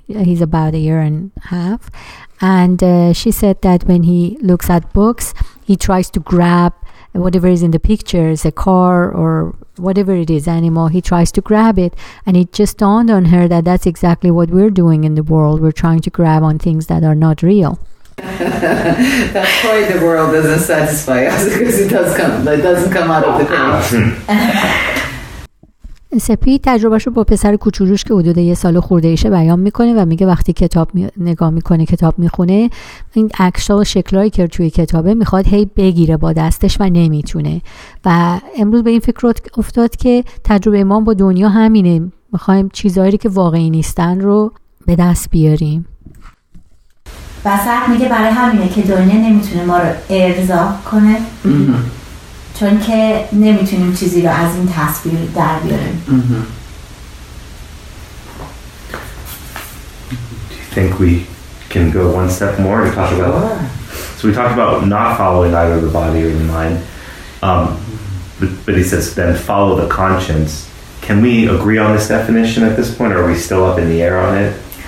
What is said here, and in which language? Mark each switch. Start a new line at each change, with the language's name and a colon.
English: He's about a year and a half. And she said that when he looks at books, he tries to grab whatever is in the pictures, a car or whatever it is, animal, he tries to grab it. And it just dawned on her that that's exactly what we're doing in the world. We're trying to grab on things that are not real. That's why the world doesn't satisfy us, because it doesn't come out of the ground.
Persian: سپید تجربهش رو با پسر کوچولوش که حدود یه سال خورده ایشه بیان میکنه و میگه وقتی کتاب نگاه میکنه کتاب میخونه این عکس‌ها و شکل‌هایی که توی کتابه میخواد هی بگیره با دستش و نمیتونه و امروز به این فکر افتاد که تجربه ما با دنیا همینه میخوایم چیزهایی که واقعی نیستن رو به دست بیاریم بسط میگه برای همینه که دنیا نمیتونه ما رو ارضا کنه چون که نمیتونیم چیزی رو از این تصویر در بیاریم.
English: Do you think we can go one step more and talk about that? So we talked about not following either the body or the mind, but he says then follow the conscience. Can we agree on this definition at this point, or are we still up in the air on it?